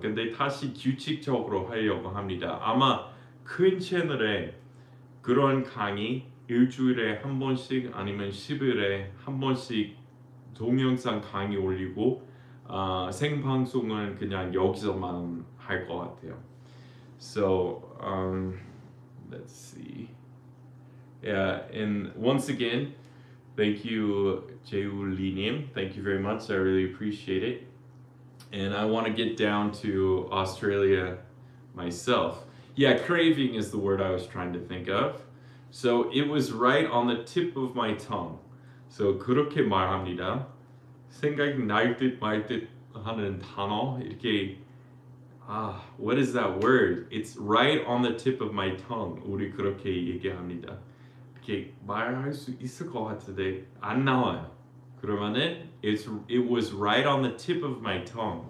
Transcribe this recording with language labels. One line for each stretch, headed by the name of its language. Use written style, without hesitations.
Korean: 근데 다시 규칙적으로 하려고 합니다. 아마 큰 채널에 그런 강의 일주일에 한 번씩 아니면 10일에 한 번씩 동영상 강의 올리고 생방송은 그냥 여기서만 할 것 같아요.
English: So, let's see. Yeah, and once again, thank you, Jaewoo Lee-nim. Thank you very much. I really appreciate it. And I want to get down to Australia myself. Yeah, craving is the word I was trying to think of. So it was right on the tip of my tongue.
Korean: So 그렇게 말합니다. 생각 날 듯 말 듯 하는 단어 이렇게
English: what is that word? It's right on the tip of my tongue.
Korean: 우리 그렇게 얘기합니다. 말할 수 있을 것 같은데 안 나와요. 그러면은
English: it was right on the tip of my tongue.